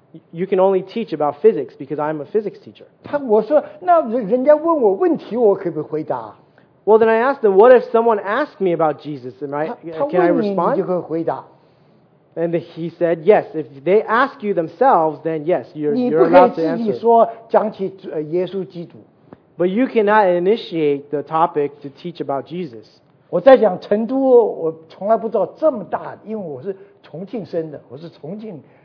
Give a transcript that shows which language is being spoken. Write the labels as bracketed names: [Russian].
[English] You can only teach about physics because I'm a physics teacher. [Chinese] 我说，那人家问我问题，我可不可以回答？ [English] Well, then I asked them, what if someone asked me about Jesus? Can I respond? [Chinese] 他问你，你就可以回答。 [English] And he said, yes, if they ask you themselves, then yes, you're allowed to answer. [Chinese] 你不可以自己说讲起耶稣基督。 [English] But you cannot initiate the topic to teach about Jesus. [Chinese] 我在讲成都，我从来不知道这么大，因为我是重庆生的，我是重庆。